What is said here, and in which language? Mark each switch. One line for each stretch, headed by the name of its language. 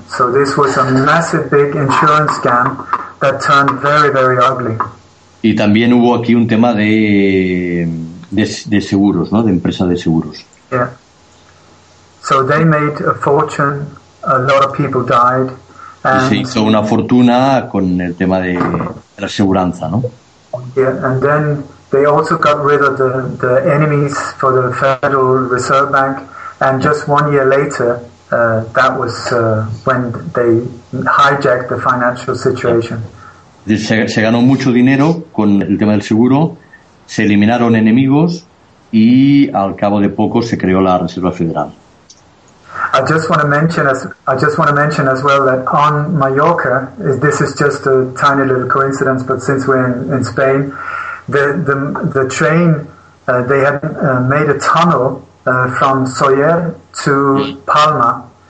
English: So this was a massive big insurance scam that turned very, very ugly.
Spanish: Y también hubo aquí un tema de seguros, ¿no? De empresa de seguros.
English: Yeah. So they made a fortune, a lot of people died.
Spanish: Y se hizo una fortuna con el tema de la aseguranza, ¿no?
English: Yeah, and then they also got rid of the enemies for the Federal Reserve Bank, and just 1 year later... that was when they hijacked the financial situation.
Spanish: Se ganó mucho dinero con el tema del seguro, se eliminaron enemigos y al cabo de poco se creó la Reserva Federal.
English: I just want to mention as well that on Mallorca, this is just a tiny little coincidence, but since we're in Spain, the train they had made a tunnel from Sóller to Palma.